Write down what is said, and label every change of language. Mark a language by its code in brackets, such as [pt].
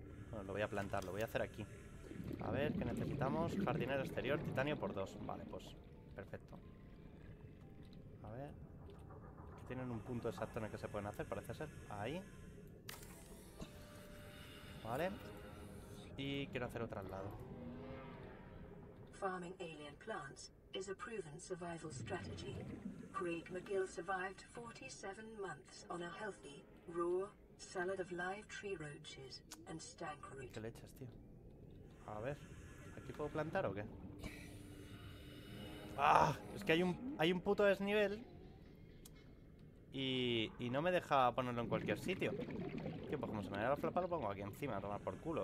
[es] Bueno, lo voy a hacer aquí. A ver, ¿qué necesitamos? Jardinero exterior, titanio por dos. Vale, pues, perfecto. A ver. Aquí tienen un punto exacto en el que se pueden hacer, parece ser. Ahí. Vale. Y quiero hacer otro al lado. [en] Farming alien plants is a proven survival strategy. Craig McGill survived 47 months on a healthy, raw, Salad of live tree roaches and stank root. [es] ¿Qué le echas, tío? A ver, ¿aquí puedo plantar o qué? ¡Ah! Es que hay un puto desnivel y no me deja ponerlo en cualquier sitio. Tío, pues como se me da la flapa, lo pongo aquí encima, a tomar por culo.